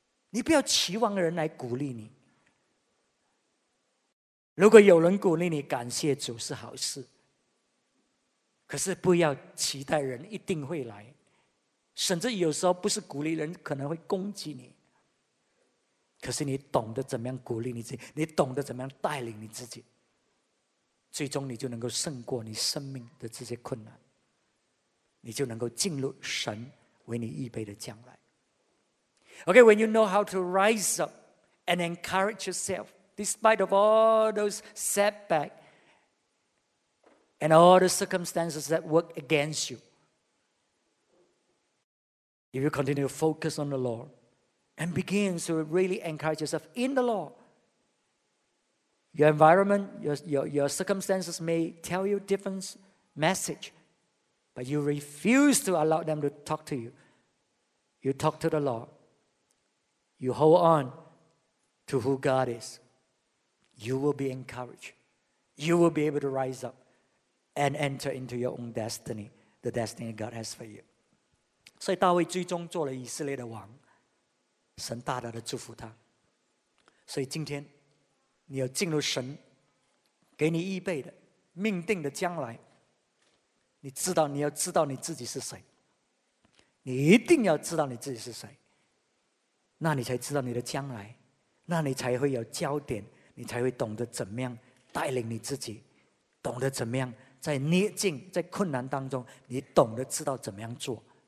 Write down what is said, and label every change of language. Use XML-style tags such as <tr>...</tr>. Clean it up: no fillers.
<zh>你不要期望人来鼓励你，如果有人鼓励你，感谢主是好事，可是不要期待人一定会来，甚至有时候不是鼓励人，可能会攻击你，可是你懂得怎么样鼓励你自己，你懂得怎么样带领你自己，最终你就能够胜过你生命的这些困难，你就能够进入神为你预备的将来。</zh> <en>Okay, when you know how to rise up and encourage yourself despite of all those setbacks and all the circumstances that work against you, if you continue to focus on the Lord and begin to really encourage yourself in the Lord, your environment, your circumstances may tell you a different message, but you refuse to allow them to talk to you. You talk to the Lord. You hold on to who God is. You will be encouraged. You will be able to rise up and enter into your own destiny, the destiny God has for you.</en> <zh>所以大卫最终做了以色列的王，神大大的祝福他。所以今天你要进入神给你预备的命定的将来，你知道，你要知道你自己是谁，你一定要知道你自己是谁，那你才知道你的将来，那你才会有焦点，你才会懂得怎么样带领你自己，懂得怎么样在逆境在困难当中，你懂得知道怎么样做。</zh>